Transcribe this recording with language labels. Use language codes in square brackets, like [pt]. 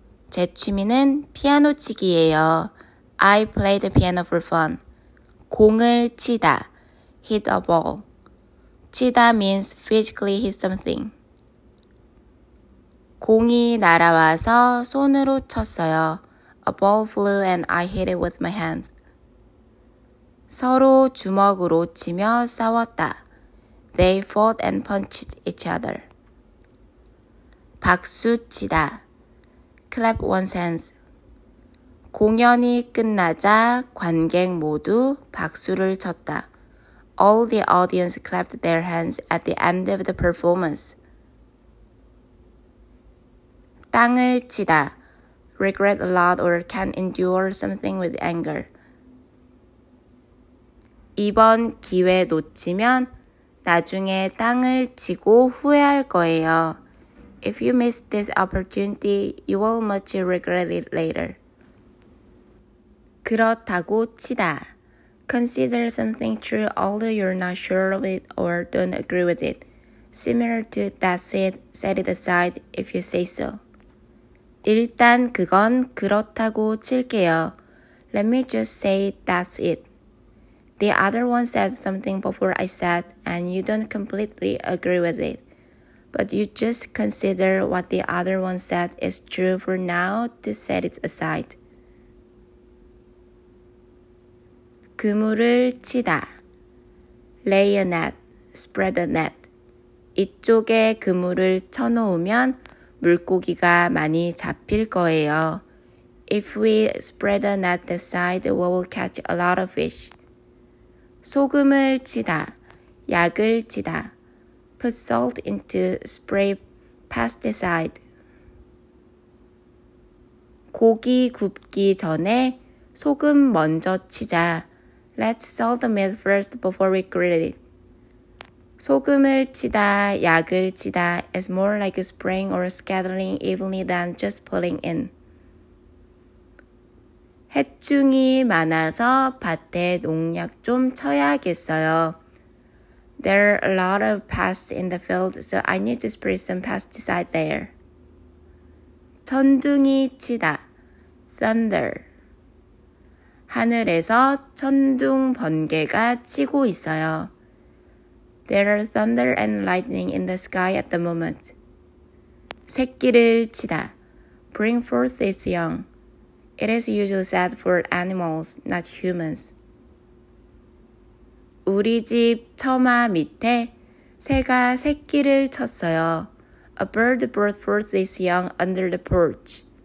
[ko] 제 취미는 피아노 치기예요. [en] I play the piano for fun. [ko] 공을 치다 [en] Hit a ball. 치다 means physically hit something. [ko] 공이 날아와서 손으로 쳤어요. [en] A ball flew and I hit it with my hand. [ko] 서로 주먹으로 치며 싸웠다. [en] They fought and punched each other. [ko] 박수 치다. [en] Clap one's hands. [ko] 공연이 끝나자 관객 모두 박수를 쳤다. [en] All the audience clapped their hands at the end of the performance. [ko] 땅을 치다. [en] Regret a lot or can endure something with anger. [ko] 이번 기회 놓치면 나중에 땅을 치고 후회할 거예요. [en] If you miss this opportunity, you will much regret it later. [ko] 그렇다고 치다. [en] Consider something true although you're not sure of it or don't agree with it. Similar to that's it, set it aside if you say so. [ko] 일단 그건 그렇다고 칠게요. [en] Let me just say that's it. The other one said something before I said and you don't completely agree with it. But you just consider what the other one said is true for now to set it aside. [ko] 그물을 치다. [en] Lay a net. Spread a net. [ko] 이쪽에 그물을 쳐놓으면 물고기가 많이 잡힐 거예요. [en] If we spread a net this side, we will catch a lot of fish. [ko] 소금을 치다. 약을 치다. [en] Put salt into spray pesticide. [ko] 고기 굽기 전에 소금 먼저 치자. [en] Let's salt the meat first before we grill it. [ko] 소금을 치다, 약을 치다 [en] is more like spraying or scattering evenly than just pulling in. [ko] 해충이 많아서 밭에 농약 좀 쳐야겠어요. [en] There are a lot of pests in the field, so I need to spray some pesticide there. [ko] 천둥이 치다, thunder. 하늘에서 천둥 번개가 치고 있어요. [en] There are thunder and lightning in the sky at the moment. [ko] 새끼를 치다, [en] bring forth its young. It is usually said for animals, not humans. [ko] 우리 집 처마 밑에 새가 새끼를 쳤어요. [en] A bird brought forth its young under the porch.